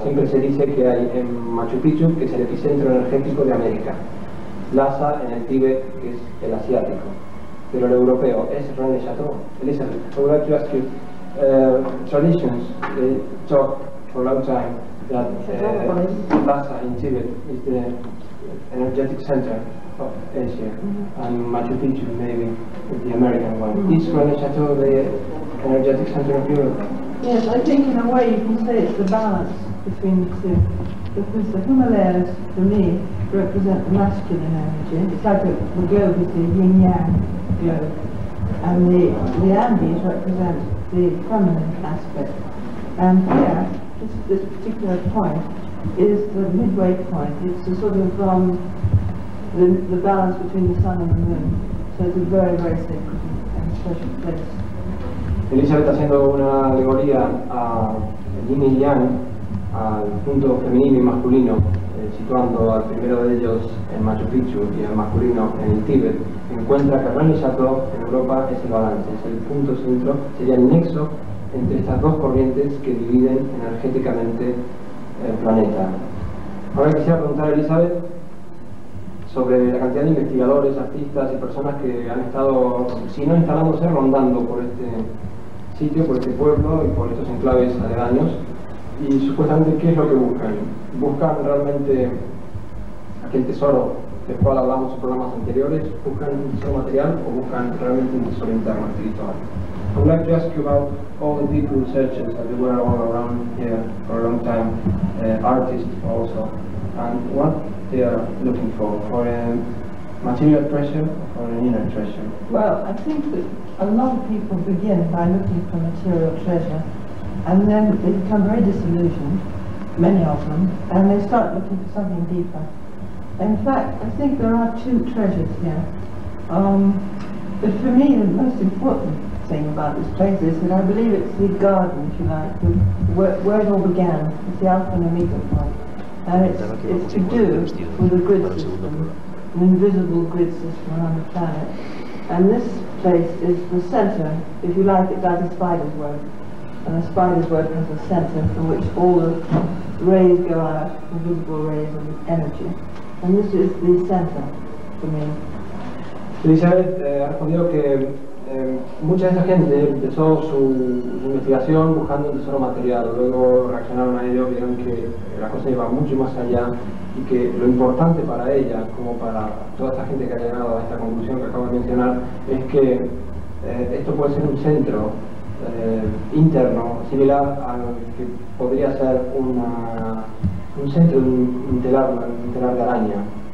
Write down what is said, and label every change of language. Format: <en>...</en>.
<es>Siempre se dice que hay en Machu Picchu, que es el epicentro energético de América. Lhasa en el Tíbet, que es el asiático. Pero el europeo es Rennes-le-Château.</es> <en>Elizabeth, I would like to ask you, traditions talk for a long time that Lhasa in Tibet is the energetic center of Asia, and Machu Picchu maybe the American one. Is Rennes-le-Château the energetic center of Europe? Yes, I think in a way you can say it's the balance between the two. Because the Himalayas, for me, represent the masculine energy. It's like the globe is the yin-yang globe. And the Andes represent the feminine aspect. And here, this particular point is the midway point. It's a sort of the balance between the sun and the moon. So it's a very, very sacred and special place.</en> <es>Elizabeth haciendo una alegoría a yin y yang, al punto femenino y masculino, situando al primero de ellos en Machu Picchu y al masculino en el Tíbet, encuentra que Rennes-le-Château en Europa es el balance, es el punto centro, sería el nexo entre estas dos corrientes que dividen energéticamente el planeta. Ahora quisiera preguntar a Elizabeth sobre la cantidad de investigadores, artistas y personas que han estado, si no instalándose, rondando por este sitio, por este pueblo y por estos enclaves aledaños. Y supuestamente, ¿qué es lo que buscan? ¿Buscan realmente aquel tesoro del cual hablamos en programas anteriores? ¿Buscan un tesoro material o buscan realmente un tesoro interno espiritual?</es> <en>I would like to ask you about all the deep researchers that were all around here for a long time, artists also, and what they are looking for a material treasure or an inner treasure? Well, I think that a lot of people begin by looking for material treasure, and then they become very disillusioned, many of them, and they start looking for something deeper. In fact, I think there are two treasures here. But for me, the most important thing about this place is that I believe it's the garden, if you like, where it all began. It's the alpha and omega point. And it's to do with the grid system, an invisible grid system around the planet. And this place is the center, if you like, it does a spider's web. And a spider's web has a center from which all the rays go out, invisible rays of energy. And this is the center for me.</en> <es>Elizabeth, respondió que mucha de esa gente empezó su investigación buscando un tesoro material. Luego reaccionaron a ello, vieron que la cosa iba mucho más allá y que lo importante para ella, como para toda esta gente que ha llegado a esta conclusión que acabo de mencionar, es que esto puede ser un centro interno, similar a lo que podría ser un centro interior de araña.</es>